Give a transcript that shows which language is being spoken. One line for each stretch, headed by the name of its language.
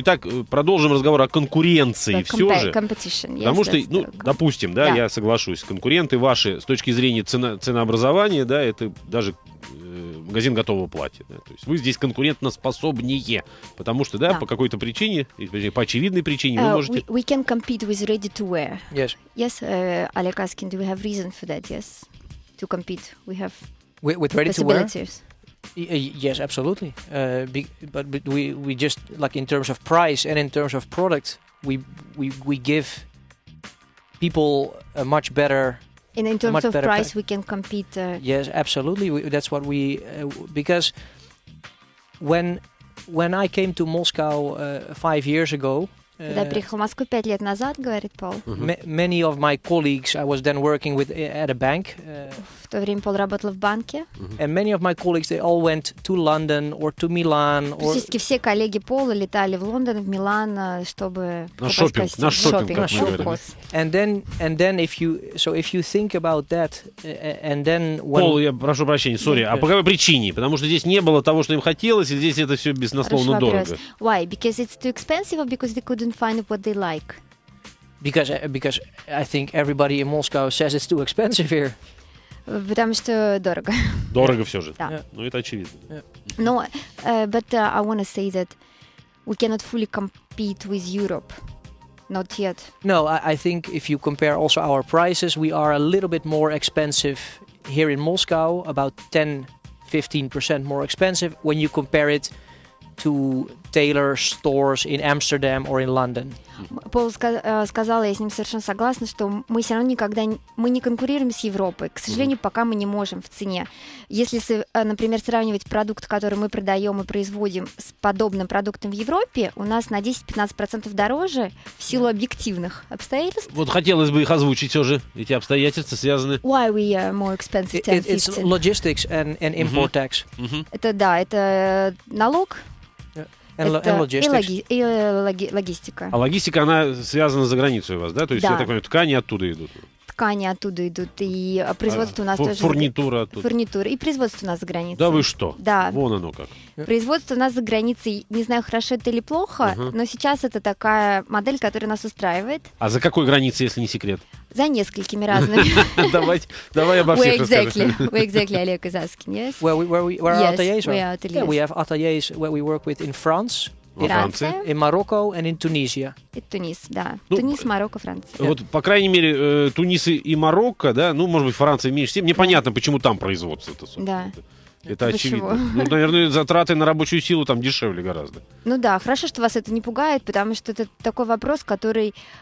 Russian: Итак, продолжим разговор о конкуренции все же. Потому что, ну, допустим, да, я соглашусь, конкуренты ваши с точки зрения ценообразования, да, это даже... Магазин готового платья. Да? То есть вы здесь конкурентоспособнее, потому что, да, по какой-то причине, по очевидной причине, вы можете...
English: We can compete with ready-to-wear. Yes. Yes, Alec asking, do we have reason for that, yes? To compete, we have With ready-to-wear? Yes, absolutely. But we just, like in terms of price and in terms of product, we give people a much better... And in terms of price, we can compete. Yes, absolutely. That's what we because when I came to Moscow 5 years ago,
Russian: Когда я приехал в Москву 5 лет назад, говорит Пол.
English: Many of my colleagues I was then working with at a bank.
Russian: В то время Пол работал в банке.
English: And many of my colleagues they all went to London or to Milan.
Russian: Практически все коллеги Пола летали в Лондон, в Милан, чтобы на шопинг, на шопинг, на шопинг.
English: And then if you think about that and then when
Russian: Пол, я прошу прощения,
English: sorry,
Russian: а по какой причине? Потому что здесь не было того, что им хотелось, и здесь это все беснословно дорого.
English: Why? Because it's too expensive or because they couldn't find what they like? Because I think everybody in Moscow says it's too expensive here.
Russian: Потому что дорого. Дорого все же. Да.
English: Yeah.
Russian: Ну, это очевидно.
English: Yeah. No, but I want to say that we cannot fully compete with Europe. Not yet. No, I think if you compare also our prices, we are a little bit more expensive here in Moscow, about 10-15% more expensive when you compare it to tailor stores in Amsterdam or in London.
Russian: Пол сказал, я с ним совершенно согласна, что мы все равно никогда мы не конкурируем с Европой. К сожалению, пока мы не можем в цене. Если, например, сравнивать продукт, который мы продаем и производим с подобным продуктом в Европе, у нас на 10-15% дороже в силу объективных обстоятельств. Вот хотелось бы их озвучить все же. Эти обстоятельства связаны.
English: Why we are more expensive 10-15? It's logistics and import tax.
Russian: Это да, это налог. Это логистика. А логистика, она связана за границей у вас, да? То есть, да. Я так понимаю, ткани оттуда идут? Ткани оттуда идут, и производство у нас тоже... Фурнитура оттуда. Фурнитура, и производство у нас за границей. Да вы что? Да. Вон оно как. Производство у нас за границей, не знаю, хорошо это или плохо, но сейчас это такая модель, которая нас устраивает. А за какой границей, если не секрет? За несколькими разными. Давай обо всех расскажем.
English: Where exactly, Олег из Аскин, yes? Where our ateliers are? Yes, where our ateliers. Yeah, we have ateliers where we work with in France.
Russian: Во Франции.
English: In Morocco and in Tunisia.
Russian: И Тунис, да. Ну, Тунис, Марокко, Франция. Вот, по крайней мере, Тунис и Марокко, да, ну, может быть, Франция меньше. Всем непонятно, почему там производство-то, собственно. Да. Это очевидно. Ну, наверное, затраты на рабочую силу там дешевле гораздо. Ну да, хорошо, что вас это не пугает, потому что это такой вопрос, который...